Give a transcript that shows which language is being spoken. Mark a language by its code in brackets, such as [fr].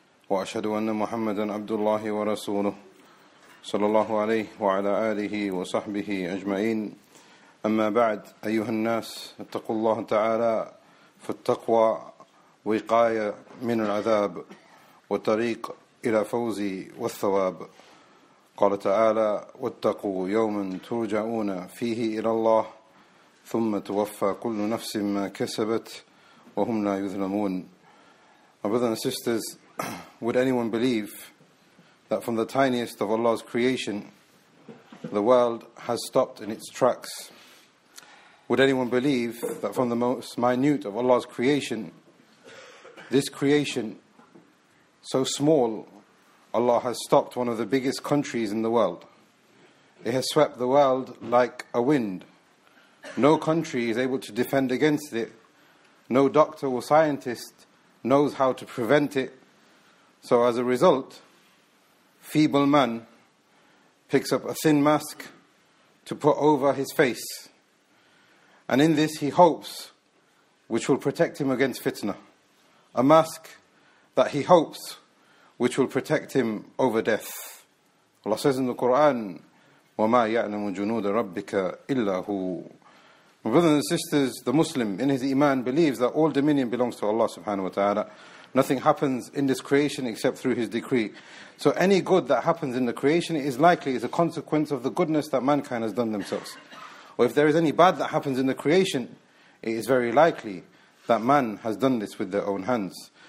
[ar] وأشهد أن محمدا عبد الله ورسوله صلى الله عليه وعلى آله وصحبه أجمعين أما بعد أيها الناس اتقوا الله تعالى فالتقوى وقاية من العذاب وطريق إلى فوز والثواب قال تعالى واتقوا يوما ترجعون فيه إلى الله ثم توفى كل نفس ما كسبت وهم لا يظلمون. [en] My brothers and sisters, would anyone believe that from the tiniest of Allah's creation the world has stopped in its tracks? Would anyone believe that from the most minute of Allah's creation, this creation, so small, Allah has stopped one of the biggest countries in the world? It has swept the world like a wind. No country is able to defend against it. No doctor or scientist knows how to prevent it. So as a result, feeble man picks up a thin mask to put over his face. And in this he hopes, which will protect him against fitna. A mask that he hopes, which will protect him over death. Allah says in the Quran, [ar] وَمَا يَعْلَمُ جُنُودَ رَبِّكَ إِلَّا هُوَ. [en] My brothers and sisters, the Muslim in his iman believes that all dominion belongs to Allah subhanahu wa ta'ala. Nothing happens in this creation except through his decree. So any good that happens in the creation is likely is a consequence of the goodness that mankind has done themselves. Or if there is any bad that happens in the creation, it is very likely that man has done this with their own hands.